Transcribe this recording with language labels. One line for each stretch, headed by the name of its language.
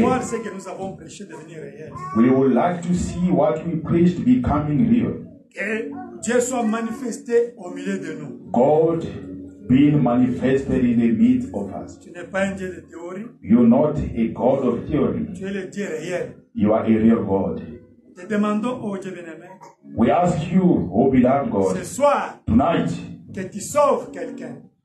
French: Voir ce que nous avons prêché devenir réel.
English: We would like to see what we preached becoming real.
French: Que Dieu soit manifesté au milieu de nous.
English: God being manifested in the midst of us.
French: Tu n'es pas un Dieu de théorie.
English: You're not a God of theory.
French: Tu es le Dieu réel.
English: You are a real God.
French: Te demandons, oh Dieu bien-aimé.
English: We ask you, oh beloved God.
French: Ce soir.
English: Tonight.
French: Que tu sauves quelqu'un.